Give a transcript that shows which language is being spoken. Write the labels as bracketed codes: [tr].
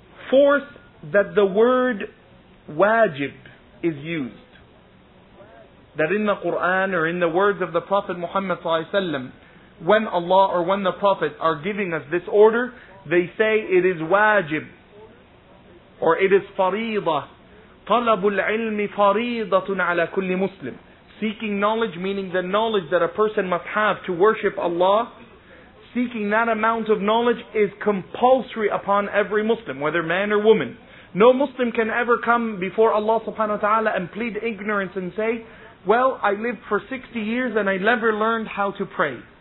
[en] Fourth, that the word wajib is used. That in the Quran or in the words of the Prophet Muhammad ﷺ, when Allah or when the Prophet are giving us this order, they say it is wajib. Or it is fariḍa. [ar] طلب العلم فريضة على كل مسلم. [en] Seeking knowledge, meaning the knowledge that a person must have to worship Allah, seeking that amount of knowledge is compulsory upon every Muslim, whether man or woman. No Muslim can ever come before Allah subhanahu wa ta'ala and plead ignorance and say, well, I lived for 60 years and I never learned how to pray.